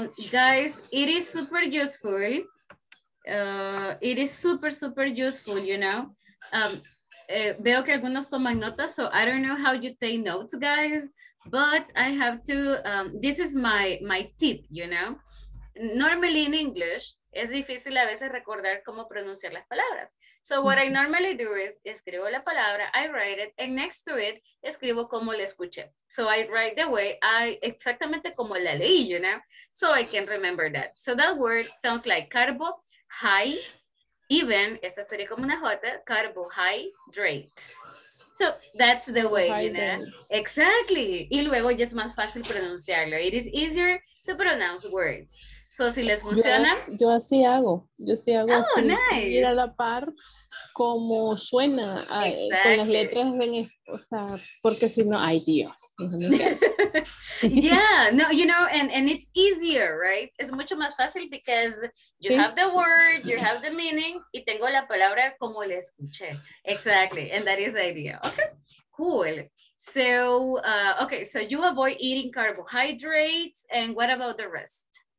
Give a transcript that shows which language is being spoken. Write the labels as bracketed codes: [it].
[en] Guys, it is super useful. It is super, super useful, you know. [es] Veo que algunos toman notas, [en] so I don't know how you take notes, guys, but I have to, this is my tip, you know. Normally in English, [es] es difícil a veces recordar cómo pronunciar las palabras. [en] So what I normally do is, [es] escribo la palabra, [en] I write it, and next to it, [es] escribo como la escuché. [en] So I write the way, [es] exactamente como la leí, [en] you know? So I can remember that. So that word sounds like carbo, high, even, [es] esa sería como una J, [en] carbohydrates. So that's the way, you know? Exactly. [es] Y luego ya es más fácil pronunciarlo. [en] It is easier to pronounce words. So, [es] si les funciona. Yo así hago. Oh, así, [en] nice. [es] Ir a la par como suena con las letras en, o sea, porque si no, ay Dios. [en] Yeah, no, you know, and it's easier, right? [es] Es mucho más fácil [en] because you have the word, you have the meaning, [es] y tengo la palabra como la escuché. [en] Exactly, and that is the idea. Okay, cool. So, okay, so you avoid eating carbohydrates, and what about the rest?